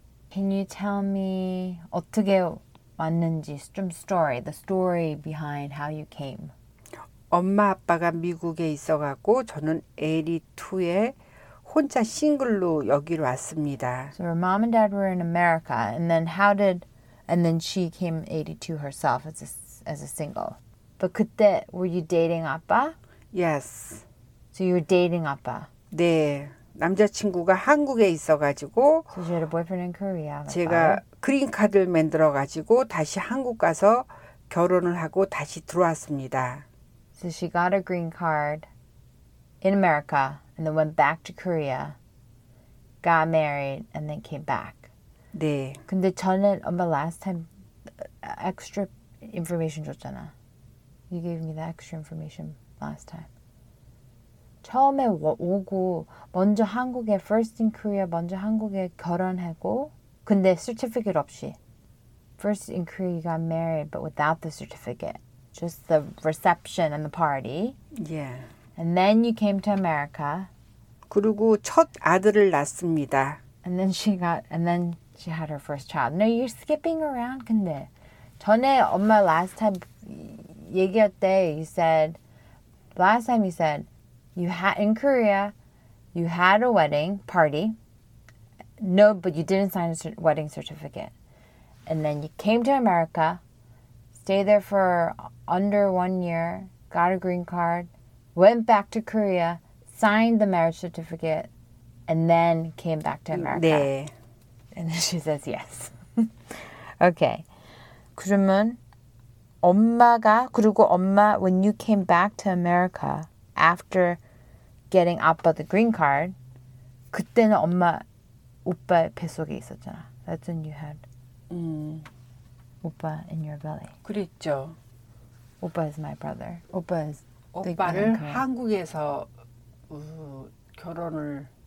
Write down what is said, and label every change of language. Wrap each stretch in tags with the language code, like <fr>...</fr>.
<en>Can you tell me</en> <ko>어떻게 왔는지 좀</ko> <en>story, the story behind how you came?</en> <ko>엄마 아빠가 미국에 있어갖고 저는 82에 혼자 싱글로 여기로 왔습니다.</ko> <en>So, her mom and dad were in America and then how did And then she came 82 herself as a single. But</en> <ko>그때,</ko> <en>were you dating 아빠? Yes. So you were dating 아빠?</en> <ko>네. 남자친구가 한국에 있어가지고.</ko> <en>So she had a boyfriend in Korea.</en> <ko>제가 그린 카드를 만들어 가지고 다시 한국 가서 결혼을 하고 다시 들어왔습니다.</ko> <en>So she got a green card in America and then went back to Korea. Got married and then came back.</en> <ko>네. 근데 전에 엄마</ko> <en>last time extra information</en> <ko>줬잖아.</ko> <en>You gave me the extra information last time.</en> <ko>처음에 오고 먼저 한국에 first in Korea 먼저 한국에 결혼하고</ko> <en>근데 certificate 없이 first in Korea you got married but without the certificate just the reception and the party yeah and then you came to America</en> <ko>그리고 첫 아들을 낳습니다</ko> <en>and then she got and then she had her first child no you're skipping around</en> <ko>근데 전에 엄마</ko> <en>last time</en> <ko>얘기할 때</ko> <en>you said last time you said You had in Korea, you had a wedding party. No, but you didn't sign a wedding certificate. And then you came to America, stayed there for under 1 year, got a green card, went back to Korea, signed the marriage certificate, and then came back to America.</en> <ko>네.</ko> <en>And then she says yes. Okay.</en> <ko>그러면 엄마가 그리고 엄마</ko> <en>when you came back to America after getting Appa the green card,</en> <ko>그때는 엄마, 오빠 뱃속에 있었잖아.</ko> <en>That's when you had 오빠 in your belly.</en> <ko>그랬죠.</ko> <en>오빠 is my brother. 오빠 is</en> <ko>오빠를 한국에서 결혼을</ko>